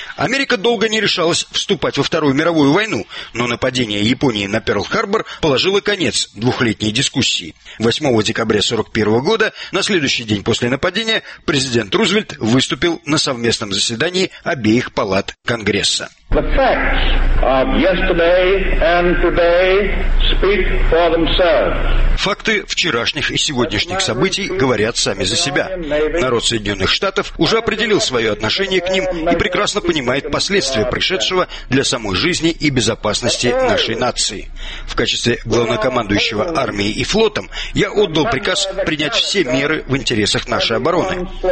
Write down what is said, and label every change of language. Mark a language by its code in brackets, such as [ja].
[ru] Америка долго не решалась вступать во Вторую мировую войну, но нападение Японии на Перл-Харбор положило конец двухлетней дискуссии. 8 декабря 1941 года, на следующий день после нападения, президент Рузвельт выступил на совместном заседании обеих палат Конгресса. [en] The facts of yesterday and today speak for themselves. [ru] Факты вчерашних и сегодняшних событий говорят сами за себя. Народ Соединенных Штатов уже определил свое отношение к ним и прекрасно понимает последствия происшедшего для самой жизни и безопасности нашей нации. В качестве главнокомандующего армией и флотом я отдал приказ принять все меры в интересах нашей обороны.